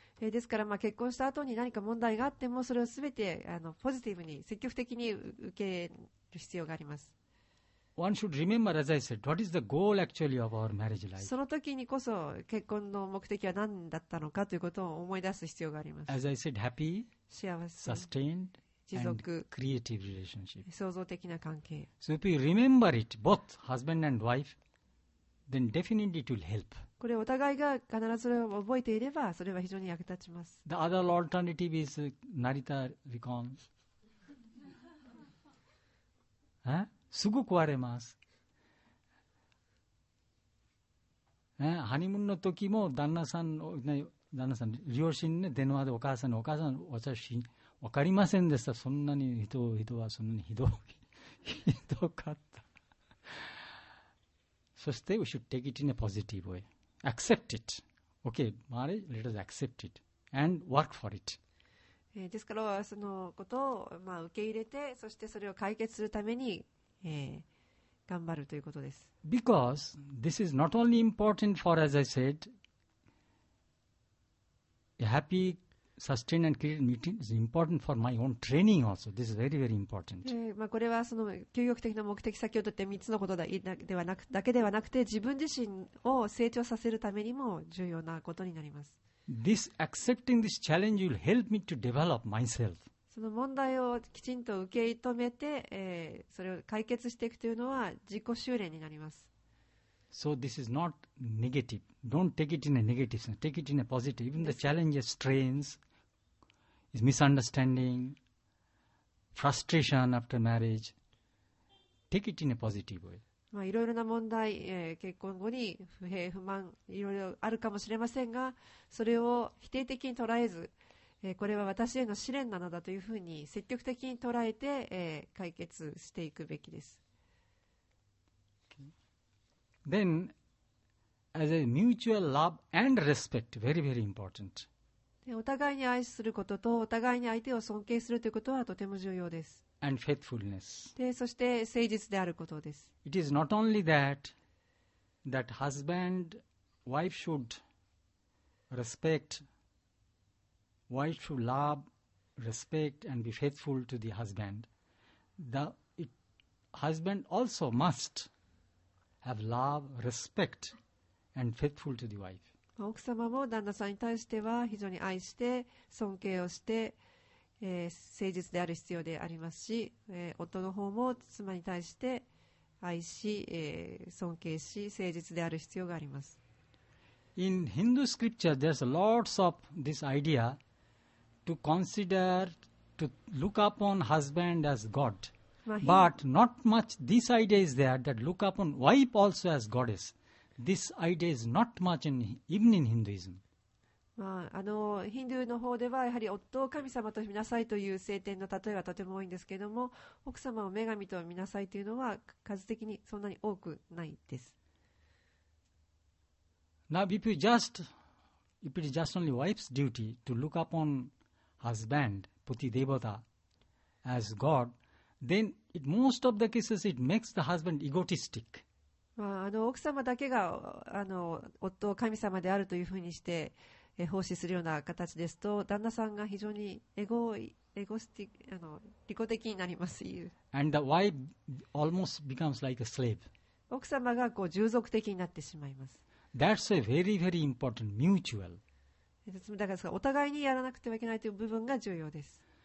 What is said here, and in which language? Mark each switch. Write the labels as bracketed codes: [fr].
[ja] ですから、まあ、結婚した後に何か問題があってもそれをすべてあのポジティブに積極的に受ける必要があります。 [en] One should remember, as I said, what is the goal actually of our marriage life? [ja] その時にこそ結婚の目的は何だったのかということを思い出す必要があります。 [en] As I said, happy, [ja] 幸せ、 [en] sustained, [ja] 持続、 [en] creative relationship, [ja] 創造的な関係。 [en] So if you remember it, both husband and wife, then definitely it will help. [ja] これお互いが必ずそれを覚えていれば、それは非常に役立ちます。 [en] The other alternative is Narita Recon. [ja] すぐ壊れます。ハニムーンの時も旦那さん、旦那さん、両親ね、電話でお母さんに、お母さん、私、分かりませんでした。そんなに人はそんなにひどかった。そして、 [en] we should take it in a positive way. Accept it. Okay, marriage, let us accept it and work for it. [ja] ですから、そのことを、まあ、受け入れて、そしてそれを解決するために、頑張るということです。 [en] Because this is not only important for, as I said, a happy, sustained and creative meeting is important for my own training also. This is very, very important. [ja] まあ、これはその究極的な目的、先ほど言った3つのことではなくだけではなくて、自分自身を成長させるためにも重要なことになります。 [en] This accepting this challenge will help me to develop myself. [ja] その問題をきちんと受け止めて、それを解決していくというのは自己修練になります。 [en] So this is not negative. Don't take it in a negative sense. Take it in a positive. Even the challenges, strains, is misunderstanding, frustration after marriage. Take it in a positive way. [ja] まあ、いろいろな問題、結婚後に不平不満、いろいろあるかもしれませんが、それを否定的に捉えず、これは私への試練なのだというふうに積極的に捉えて、解決していくべきです。 [en] Then, as a mutual love and respect, very, very important. [ja] お互いに愛することと、お互いに相手を尊敬するということはとても重要です。 [en] And faithfulness. [ja] で、そして誠実であることです。 [en] It is not only that, that husband, wife should respect, wife should love, respect and be faithful to the husband. Husband also must. Have love, respect, and faithful to the wife. [ja] 奥様も旦那さんに対しては非常に愛して尊敬をして、誠実である必要でありますし、夫の方も妻に対して愛し、尊敬し誠実である必要があります。 [en] In Hindu scripture there's lots of this idea to consider to look upon husband as God. But not much this idea is there that look upon wife also as goddess. This idea is not much in, even in Hinduism. [ja] まあ、あのヒンドゥーの方ではやはり夫を神様と見なさいという聖典の例えはとても多いんですけれども、奥様を女神と見なさいというのは数的にそんなに多くないです。 [en] Now if it is just only wife's duty to look upon husband, Puti Devata, as God,Then it, most of the cases it makes the husband egotistic. [ja] まあ、あの奥様だけがあの夫を神様であるというふうにして奉仕するような形ですと、旦那さんが非常にエゴスティック、あの利己的になりますという。 [en] And the wife almost becomes like a slave. [ja] 奥様がこう従属的になってしまいます。 [en] That's a very, very important mutual. [ja] だからお互いにやらなくてはいけないという部分が重要です。